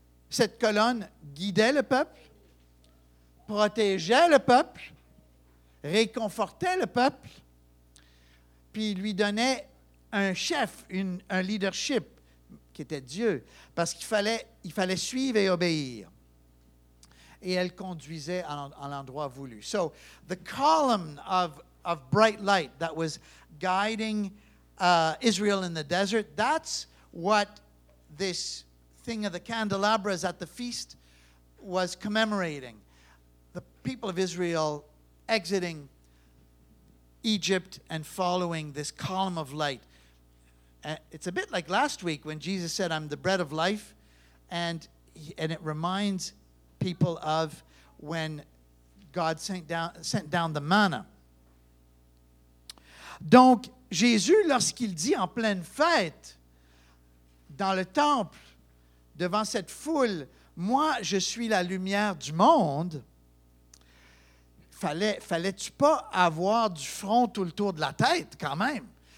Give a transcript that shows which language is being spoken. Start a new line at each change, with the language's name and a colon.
French: Cette colonne guidait le peuple, protégeait le peuple, réconfortait le peuple, puis lui donnait un chef, un leadership, qui était Dieu, parce qu'il fallait suivre et obéir. Et elle conduisait à l'endroit voulu.
English: So, the column of bright light that was guiding Israel in the desert, that's what this thing of the candelabras at the feast was commemorating. People of Israel exiting Egypt and following this column of light. It's a bit like last week when Jesus said, I'm the bread of life, and it reminds people of when God sent down the manna.
French: Donc, Jésus, lorsqu'il dit en pleine fête, dans le temple, devant cette foule, moi, je suis la lumière du monde, fallait-tu pas avoir du front tout le tour de la tête, quand même?